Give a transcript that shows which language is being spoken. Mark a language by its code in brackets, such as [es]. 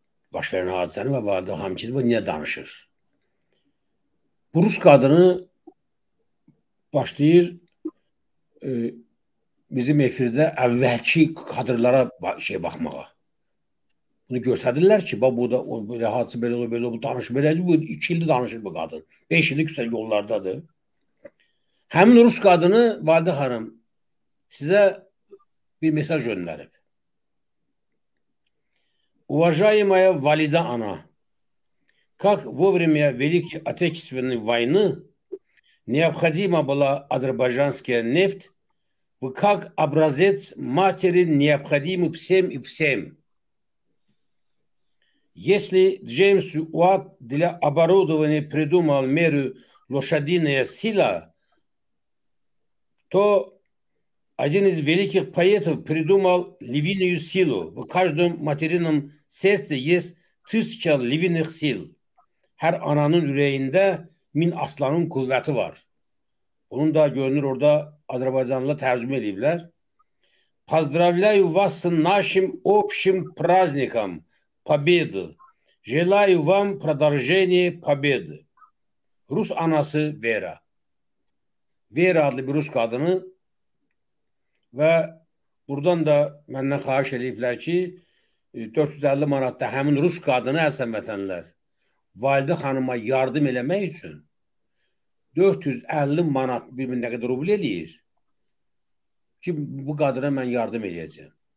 [az] Baş verən hadisəni və valide xanım kimdir bu, niyə danışır? Bu Rus qadını başlayır bizim efirdə əvvəlki kadrlara şey baxmağa. Bunu göstərdilər ki, bax burada o belə hadisə belə olub, belə olub, danışır belədir, bu 2 ildir danışır bu qadın. 5 ildir küsur yollardadır. Həmin Rus qadını valide xanım sizə bir mesaj göndərib. [ru] Уважаемая валида ана, как вовремя Великой Отечественной войны необходима была азербайджанская нефть, вы как образец матери необходимы всем и всем. Если Джеймс Уатт для оборудования придумал меру лошадиная сила, то один из великих поэтов придумал львиную силу. В каждом материнном сердце есть 1000 львиных сил. [tr] Her ananın yüreğinde 1000 aslanın kuvveti var. [az] Bunun da görünür orada Azerbaycanlı tercüme edipler. [ru] Поздравляю вас с нашим общим праздником Победы. Желаю вам продолжения Победы. [az] Rus anası Vera. Vera adlı bir Rus kadını ve buradan da benden xahiş edipler ki 450 manatta həmin Rus kadını əsən vətənlər valide hanıma yardım eləmək üçün 450 manat birbirine kadar rubl eləyir ki bu kadına mən yardım eləyəcəm.